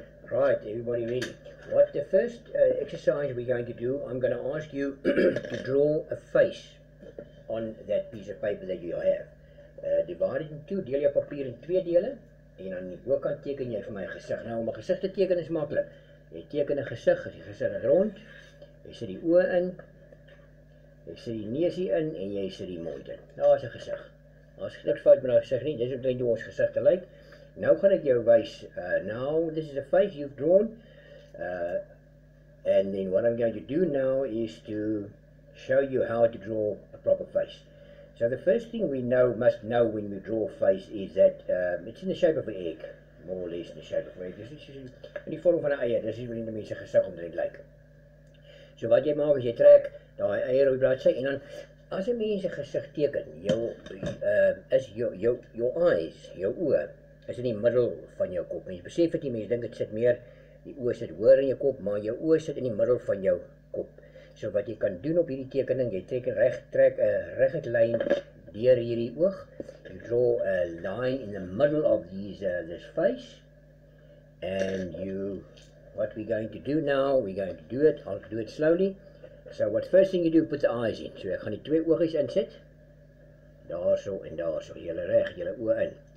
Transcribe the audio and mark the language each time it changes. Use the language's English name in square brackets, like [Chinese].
[English] Right, everybody ready? What the first exercise we're going to do, I'm going to ask you to draw a face on that piece of paper that you have. Divide it in two, [Afrikaans] deel jou papier in twee dele, en aan die bokant teken jy vir my gesig. Nou, om 'n gesig te teken is maklik. Jy teken 'n gesig, as die gesig is rond, jy sit die oë in, jy sit die neusie in, en jy sit die mond in. Nou is 'n gesig. Nou is niks fout met nou gesig nie, dis ook net hoe ons gesig te lyk. Nou gaan ek jou wys, [English] now this is a face you've drawn, and then what I'm going to do now is to show you how to draw a proper face. So the first thing we must know when we draw a face is that it's in the shape of an egg. More or less in the shape of egg. This is in the form of an eier, this is what the [Afrikaans] mense gesig om dit lyk. [English] So what [Afrikaans] jy maak is jy trek daai eier op die bladsy en dan as 'n mens 'n gesig teken, [English] your eyes, [Afrikaans] your oë, is in die middel van jou kop. En jy besef dit, mense dink dit sit meer, die oë sit hoër in jou kop, maar jou oë sit in die middel van jou kop. So wat jy kan doen op hierdie tekening, jy trek 'n reguit lyn deur hierdie oog. [English] You draw a line in the middle of this face, and what we're going to do now, we're going to do it, I'll do it slowly. So what first thing you do, put the eyes in. [Afrikaans] So ek gaan die twee oogies insit, daar so en daar so, julle reg, julle oë in.